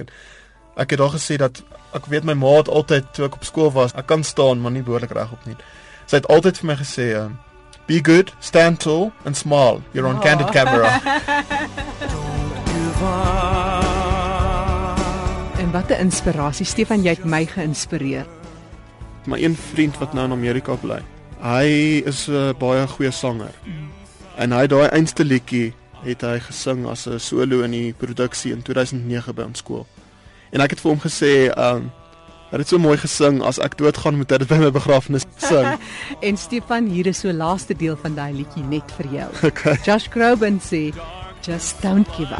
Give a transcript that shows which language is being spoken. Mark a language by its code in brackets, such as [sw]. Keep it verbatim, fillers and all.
[af] En ek het daar gesê dat ek weet my ma het altyd toe ek op skool was, ek kan staan maar nie behoorlik regop nie. Sy het altyd vir my gesê, [en] um, "Be good, stand tall and smile. You're on oh. candid camera." [af] Wat 'n inspirasie. Stefan, jy het my geïnspireer. My een vriend wat nou in Amerika bly. Hy is 'n baie goeie sanger. En hy daai einste liedjie het hy gesing as 'n solo in die produksie in tweeduisend nege by ons skool. En ek het vir hom gesê, um, hy het so mooi gesing, as ek doodgaan moet hy dit by my begrafnis sing. En Stefan, hier is so laaste deel van daai liedjie net vir jou. Okay. [en] Josh Groban sê, just don't give up.